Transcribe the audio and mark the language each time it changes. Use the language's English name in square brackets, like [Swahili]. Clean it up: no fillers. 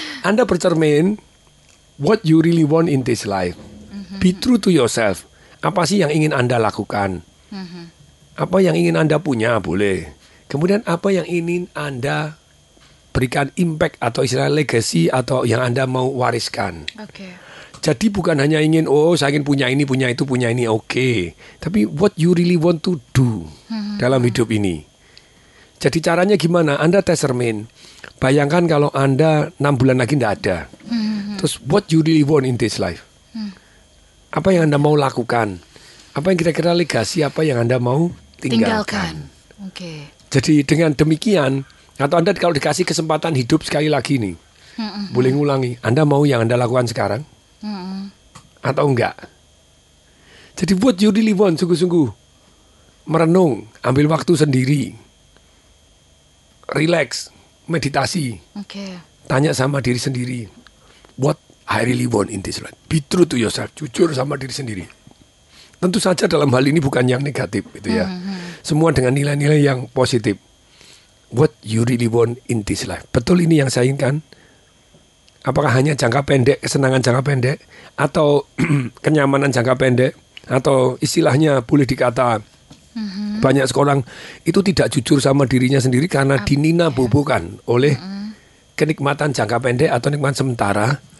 [Indonesian] Anda bercermin [English] what you really want in this life. Mm-hmm. Be true to yourself. [Indonesian] Apa sih yang ingin Anda lakukan? Mm-hmm. Apa yang ingin Anda punya? Boleh. Kemudian apa yang ingin Anda berikan impact atau istilah legacy atau yang Anda mau wariskan. Okay. Jadi bukan hanya ingin, oh saya ingin punya ini, punya itu, punya ini, oke. Tapi [English] what you really want to do [Indonesian] dalam hidup ini. Jadi caranya gimana? Anda tesermin. Bayangkan kalau Anda 6 bulan lagi tidak ada. Terus [English] what you really want in this life? [Indonesian] Apa yang Anda mau lakukan? Apa yang kira-kira legasi, apa yang Anda mau tinggalkan? Okay. Jadi dengan demikian, atau Anda kalau dikasih kesempatan hidup sekali lagi nih, boleh ngulangi, Anda mau yang Anda lakukan sekarang? Atau enggak. Jadi buat [English] you really want, [Indonesian] sungguh-sungguh merenung, ambil waktu sendiri, relax, meditasi. Okay. Tanya sama diri sendiri, [English] what I really want in this life. Be true to yourself, [Indonesian] jujur sama diri sendiri. Tentu saja dalam hal ini bukan yang negatif gitu ya. Semua dengan nilai-nilai yang positif. [English] What you really want in this life. [Indonesian] Betul ini yang saya inginkan. Apakah hanya jangka pendek, kesenangan jangka pendek, atau kenyamanan jangka pendek, atau istilahnya boleh dikata banyak sekarang itu tidak jujur sama dirinya sendiri karena dinina bubukan oleh kenikmatan jangka pendek atau nikmat sementara.